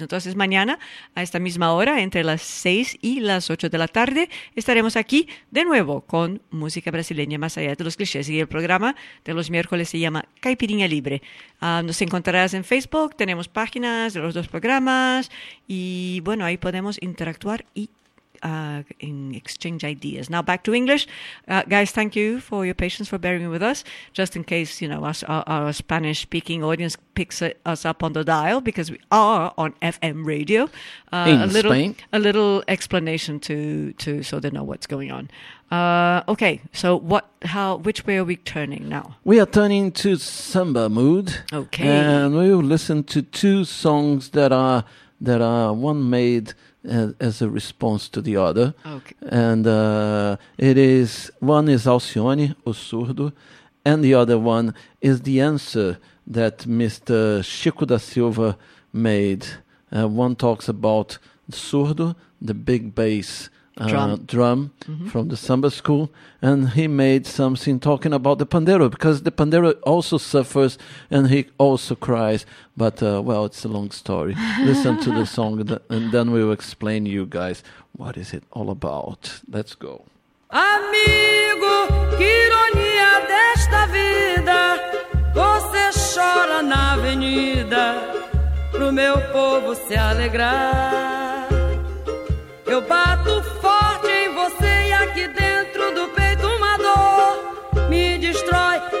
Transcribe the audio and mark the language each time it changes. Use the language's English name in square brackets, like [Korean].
[Spanish] Entonces, mañana a esta misma hora, entre las 6 y las 8 de la tarde, estaremos aquí de nuevo con música brasileña, más allá de los clichés. Y el programa de los miércoles se llama Caipirinha Libre. Nos encontrarás en Facebook, tenemos páginas de los dos programas y bueno, ahí podemos interactuar y [English] exchange ideas. Now back to English. Guys, thank you for your patience for bearing with us, just in case, you know, our Spanish speaking audience picks us up on the dial, because we are on FM radio. A little explanation to so they know what's going on. Okay, so which way are we turning now? We are turning to samba mood. Okay. And we will listen to two songs that are one made as a response to the other. Okay. And one is Alcione, O Surdo, and the other one is the answer that Mr. Chico da Silva made. One talks about Surdo, the big bass drum mm-hmm. from the samba school, and he made something talking about the pandeiro, because the pandeiro also suffers and he also cries, but well, it's a long story. Listen to the song and then we will explain to you guys what is it all about. Let's go. [Portuguese] Amigo, que ironia desta vida, você chora na avenida pro meu povo se alegrar. Eu bato forte em você e aqui dentro do peito uma dor me destrói.